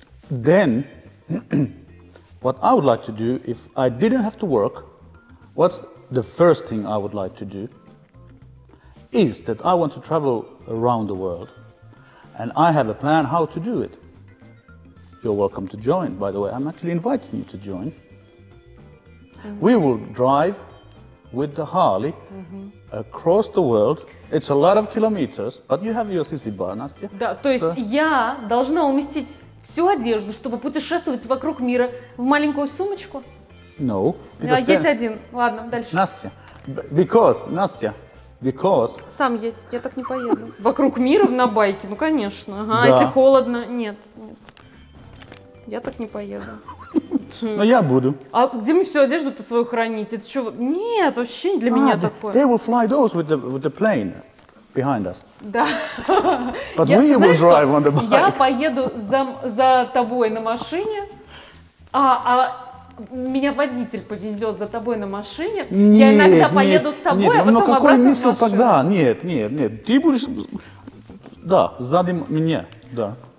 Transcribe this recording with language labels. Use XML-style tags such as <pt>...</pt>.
<en>Then, what I would like to do, if I didn't have to work, what's the first thing I would like to do is that I want to travel around the world, and I have a plan how to do it. You're welcome to join, by the way. I'm actually inviting you to join. Mm-hmm. We will drive with the Harley across the world. It's a lot of kilometers, but you have your CC bar, Nastya.</en> <ru>Да, то есть я должна уместить всю одежду, чтобы путешествовать вокруг мира в маленькую сумочку?</ru> <en>No.</en> <ru>Я едь один. Ладно, дальше.</ru> <en>Nastya, because...</en> <ru>Сам едь, я так не поеду. Вокруг мира на байке? Ну, конечно. Ага, да. Если холодно? Нет. Я так не поеду. Но я буду. А где мне всю одежду-то свою хранить? Это что? Нет, вообще не для меня такое.</ru> <en>They will fly those with the plane behind us.</en> <ru>Да.</ru> <en>But we will drive on the bike.</en> <ru>Я поеду за тобой на машине, а меня водитель повезет за тобой на машине. Нет, я иногда поеду с тобой, а потом обратно в машину. Но какой мысль тогда? Нет. Ты будешь... Да, сзади меня, да.</ru>